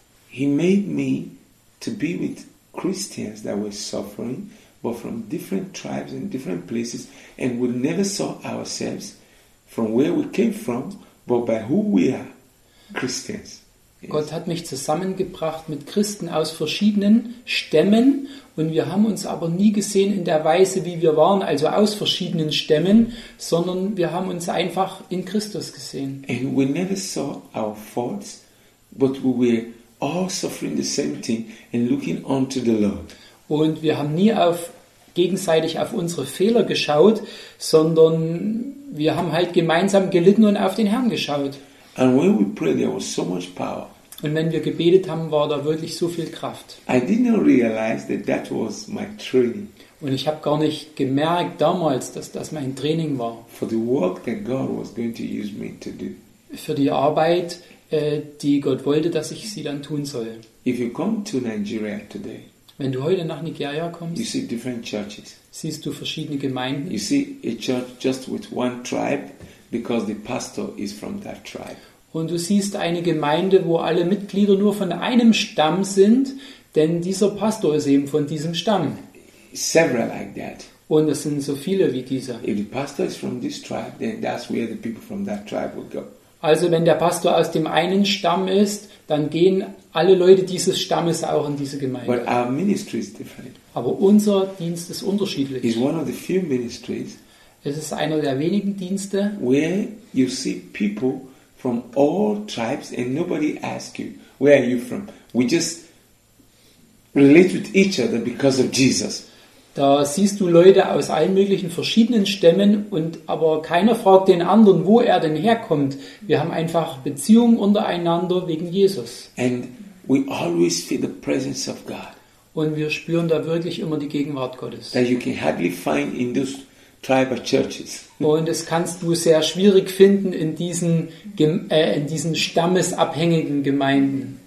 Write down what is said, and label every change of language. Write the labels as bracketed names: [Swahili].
[English] He made me to be with Christians that were suffering, but from different tribes and different places, and we never saw ourselves from where we came from, but by who we are, Christians. [German] Gott hat mich zusammengebracht mit Christen aus verschiedenen Stämmen und wir haben uns aber nie gesehen in der Weise, wie wir waren, also aus verschiedenen Stämmen, sondern wir haben uns einfach in Christus gesehen. [English] And we never saw our faults, but we were all suffering the same thing and looking unto the Lord. [German] Und wir haben nie gegenseitig auf unsere Fehler geschaut, sondern wir haben halt gemeinsam gelitten und auf den Herrn geschaut. [English] And when we prayed, there was so much power. [German] Und wenn wir gebetet haben, war da wirklich so viel Kraft. [English] I didn't realize that that was my training. [German] Und ich habe gar nicht gemerkt damals, dass das mein Training war. [English] For the work that God was going to use me to do. [German] Für die Arbeit, die Gott wollte, dass ich sie dann tun soll. [English] If you come to Nigeria today, [German] Wenn du heute nach Nigeria kommst, [English] you see different churches. [German] Siehst du verschiedene Gemeinden. [English] You see a church just with one tribe, because the pastor is from that tribe. [German] Und du siehst eine Gemeinde, wo alle Mitglieder nur von einem Stamm sind, denn dieser Pastor ist eben von diesem Stamm. [English] Several like that. [German] Und es sind so viele wie dieser. [English] If the pastor is from this tribe, then that's where the people from that tribe will go. [German] Also wenn der Pastor aus dem einen Stamm ist, dann gehen alle Leute dieses Stammes auch in diese Gemeinde. [English] But our ministry is different. [German] Aber unser Dienst ist unterschiedlich. [English] It's one of the few ministries. [German] Es ist einer der wenigen Dienste, [English] where you see people from all tribes and nobody asks you, where are you from? We just relate with each other because of Jesus. [German] Da siehst du Leute aus allen möglichen verschiedenen Stämmen und aber keiner fragt den anderen, wo er denn herkommt. Wir haben einfach Beziehungen untereinander wegen Jesus. [English] And we always feel the presence of God. [German] Und wir spüren da wirklich immer die Gegenwart Gottes. [English] That you can hardly find in those tribal churches. [German] Und das kannst du sehr schwierig finden in diesen stammesabhängigen Gemeinden.